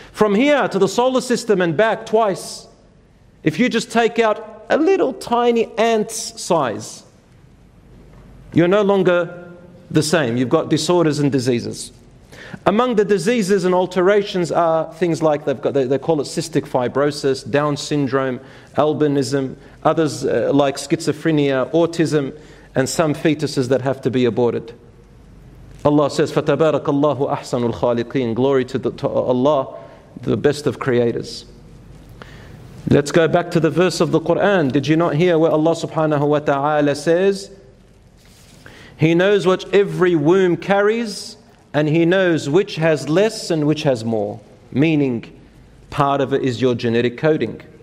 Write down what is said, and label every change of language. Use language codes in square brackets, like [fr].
[en] From here to the solar system and back twice. If you just take out a little tiny ant's size, you're no longer the same. You've got disorders and diseases. Among the diseases and alterations are things like, they call it cystic fibrosis, Down syndrome, albinism, others like schizophrenia, autism, and some fetuses that have to be aborted. Allah says, [ar] فَتَبَارَكَ اللَّهُ أَحْسَنُ الْخَالِقِينَ. [en] Glory to Allah, the best of creators. Let's go back to the verse of the Quran. Did you not hear where Allah subhanahu wa ta'ala says, He knows what every womb carries, and he knows which has less and which has more. Meaning, part of it is your genetic coding.